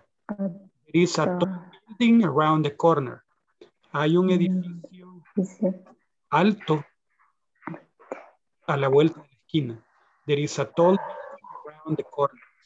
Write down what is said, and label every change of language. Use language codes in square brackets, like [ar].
[en] There is a tall building around the corner. [es] Hay un edificio alto a la vuelta de la esquina. [en] There is a tall building around the corner.